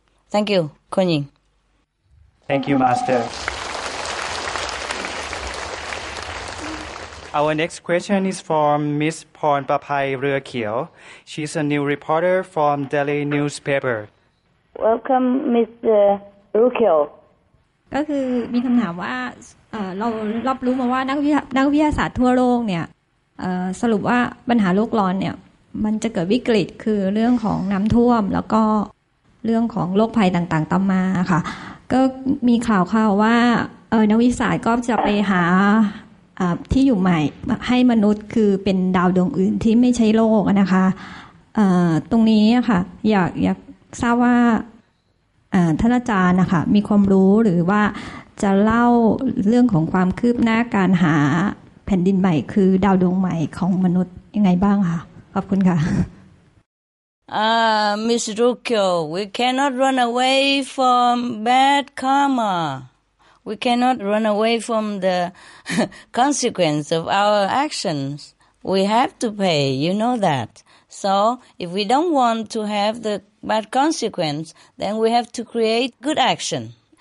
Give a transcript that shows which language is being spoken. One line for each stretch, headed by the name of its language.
English: Thank you, Kunying. Thank you, Master. Our next question is from Ms. Porn Papai Ruekiel. She's a new reporter from Delhi newspaper. Welcome, Ms. Ruekiel.
Thai: ก็คือมีคำถามว่าเรารับรู้มาว่านักวิทยาศาสตร์ทั่วโลกเนี่ยสรุปว่าปัญหาโลกร้อนเนี่ยมันจะเกิดวิกฤตคือเรื่องของน้ำท่วมแล้วก็เรื่องของโรคภัยต่างๆตามมาค่ะก็มีข่าวข่าวว่านักวิทยาศาสตร์ก็จะไปหาที่อยู่ใหม่ให้มนุษย์คือเป็นดาวดวงอื่นที่ไม่ใช่โลกนะคะตรงนี้ค่ะอยากทราบว่า ท่านอาจารย์นะคะมีความรู้หรือว่าจะเล่าเรื่องของความคืบหน้าการหาแผ่นดินใหม่คือดาวดวงใหม่ของมนุษย์ยังไงบ้างคะขอบคุณค่ะ
English: Miss Rukyo, we cannot run away from bad karma. We cannot run away from the consequence of our actions. We have to pay, you know that. So if we don't want to have the bad consequence, then we have to create good action.